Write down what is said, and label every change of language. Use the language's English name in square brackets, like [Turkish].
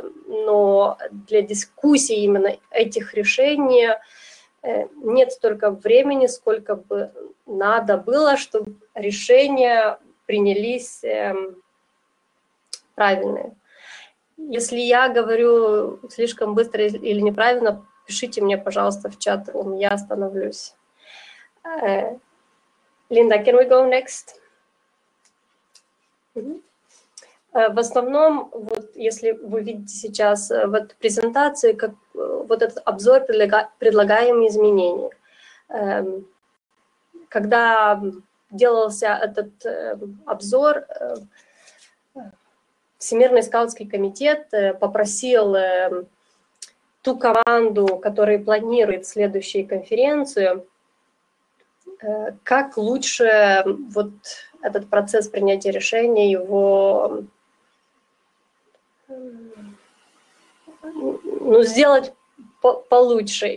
[Russian] но для дискуссии именно этих решений нет столько времени, сколько бы надо было, чтобы решения принялись правильные. Если я говорю слишком быстро или неправильно, пишите мне, пожалуйста, в чат, я остановлюсь. [English] Линда, can we go next? Mm-hmm. [Russian] В основном, вот если вы видите сейчас в этой презентации, как вот этот обзор предлагаемых изменений. Когда делался этот обзор, Всемирный скаутский комитет попросил ту команду, которая планирует следующую конференцию, как лучше вот этот процесс принятия решения его, ну, сделать получше.